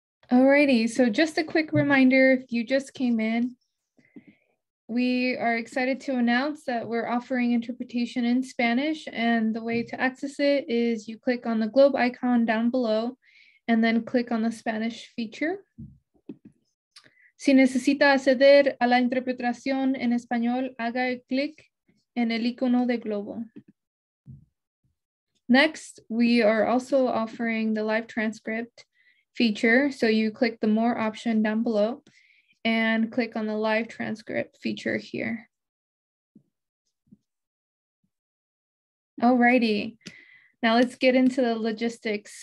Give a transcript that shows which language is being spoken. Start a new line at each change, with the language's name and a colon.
English: Alrighty, so just a quick reminder, if you just came in, we are excited to announce that we're offering interpretation in Spanish, and the way to access it is you click on the globe icon down below and then click on the Spanish feature.
Spanish: Si necesita acceder a la interpretación en español, haga el clic en el icono de globo.
English: Next, we are also offering the live transcript feature. So you click the more option down below and click on the live transcript feature here. Alrighty, now let's get into the logistics.